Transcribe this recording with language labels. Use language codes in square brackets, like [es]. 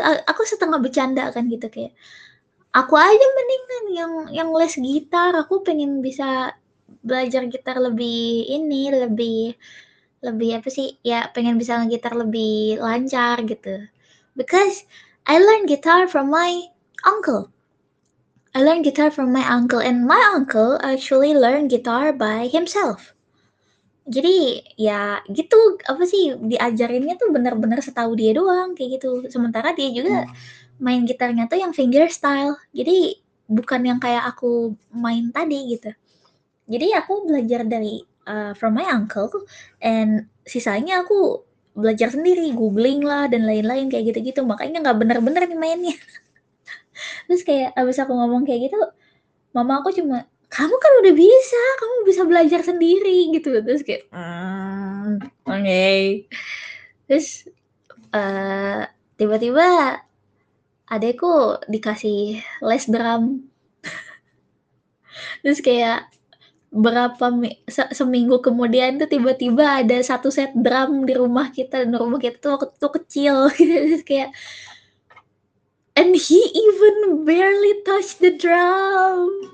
[id] Aku setengah bercanda kan gitu, kayak aku aja mendingan yang les gitar, aku pengen bisa belajar gitar lebih ini, lebih apa sih ya, pengen bisa ngegitar lebih lancar gitu. [en] Because I learn guitar from my uncle. I learned guitar from my uncle, and my uncle actually learned guitar by himself. [id] Jadi, ya gitu, apa sih, diajarinnya tuh benar-benar setahu dia doang, kayak gitu. Sementara dia juga main gitarnya tuh yang finger style. Jadi, bukan yang kayak aku main tadi, gitu. Jadi, aku belajar dari, [en] from my uncle, and [id] sisanya aku belajar sendiri, googling lah, dan lain-lain, kayak gitu-gitu. Makanya nggak benar-benar nih mainnya. Terus kayak abis aku ngomong kayak gitu, mama aku cuma, kamu kan udah bisa, kamu bisa belajar sendiri gitu. Terus kayak okay. Terus tiba-tiba adekku dikasih les drum. Terus kayak berapa seminggu kemudian tuh tiba-tiba ada satu set drum di rumah kita. Dan rumah kita tuh waktu itu kecil gitu. Terus kayak, [en] and he even barely touched the drum.